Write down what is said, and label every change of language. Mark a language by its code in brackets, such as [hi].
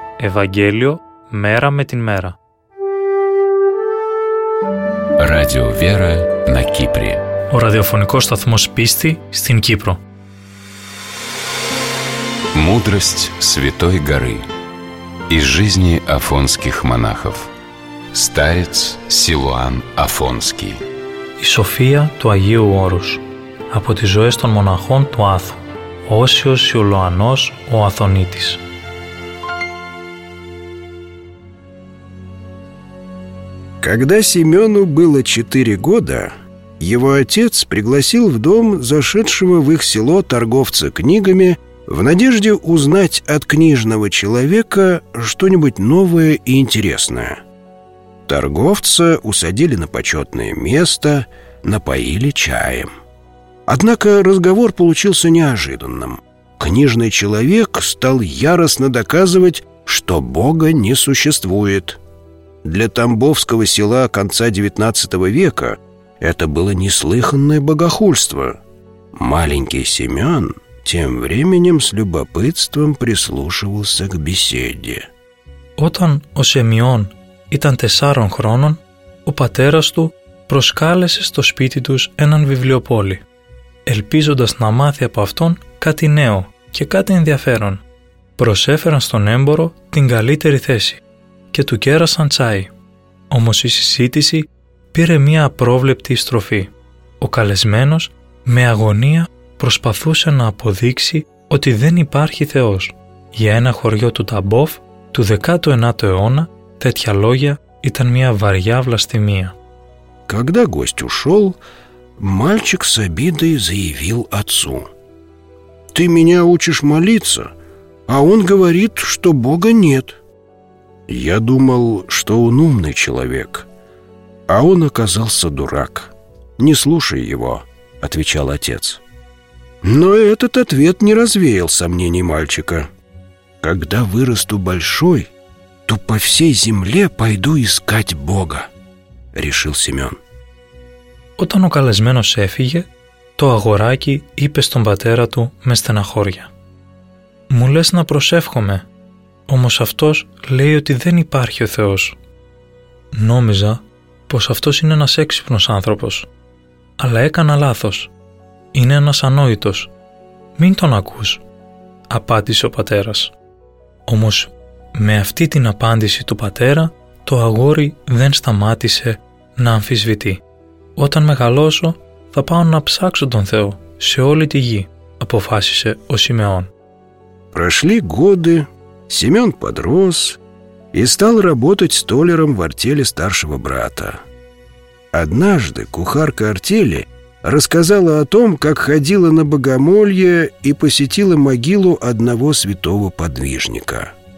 [ru] Евангелие мера [el] με την [ru] мера. Радио Вера на Кипре. [el] Ο ραδιοφωνικός σταθμός πίστη στην Κύπρο. [ru] Мудрость Святой Горы из жизни афонских монахов. Старец Силуан Афонский. [el] Η σοφία του Αγίου Όρους από τις ζωές των μοναχών του Άθου. Όσιος Σιουλωανός ο Αθωνίτης. [ru] Когда Семёну было 4 года, его отец пригласил в дом зашедшего в их село торговца книгами в надежде узнать от книжного человека что-нибудь новое и интересное. Торговца усадили на почетное место, напоили чаем. Однако разговор получился неожиданным. Книжный человек стал яростно доказывать, что Бога не существует. Для тамбовского села конца XIX века это было неслыханное богохульство. Маленький Семен тем временем с любопытством прислушивался к беседе. [el] Όταν ο Σεμιών ήταν 4 χρόνων, ο πατέρας του προσκάλεσε στο σπίτι τους έναν βιβλιοπόλη, ελπίζοντας να μάθει από αυτόν κάτι νέο και κάτι ενδιαφέρον. Προσέφεραν στον έμπορο την καλύτερη θέση και του κέρασαν τσάι. Όμως η συζήτηση πήρε μία απρόβλεπτη στροφή. Ο καλεσμένος με αγωνία προσπαθούσε να αποδείξει ότι δεν υπάρχει Θεός. Για ένα χωριό του Ταμπόφ του 19ου αιώνα τέτοια λόγια ήταν μία βαριά βλαστημία. [ru] Когда гость ушел, мальчик с обидой заявил отцу: «Ты меня учишь молиться, а он говорит, что Бога нет. Я думал, что он умный человек, а он оказался дурак. Не слушай его», — отвечал отец. Но этот ответ не развеял сомнений мальчика. «Когда вырасту большой, то по всей земле пойду искать Бога», — решил Семен. [el] Όταν ο καλεσμένος έφυγε, το αγοράκι είπε στον πατέρα του με στεναχώρια: «Μου λες να προσεύχομαι, όμως αυτός λέει ότι δεν υπάρχει ο Θεός. Νόμιζα πως αυτός είναι ένας έξυπνος άνθρωπος, αλλά έκανα λάθος. Είναι ένας ανόητος. Μην τον ακούς», απάντησε ο πατέρας. Όμως με αυτή την απάντηση του πατέρα, το αγόρι δεν σταμάτησε να αμφισβητεί. «Όταν μεγαλώσω, θα πάω να ψάξω τον Θεό σε όλη τη γη», αποφάσισε ο Симеон. [ru] Прошли годы, Семён подрос и стал работать столяром в артели старшего брата. Однажды кухарка артели рассказала о том, как ходила на богомолье и посетила могилу одного святого подвижника.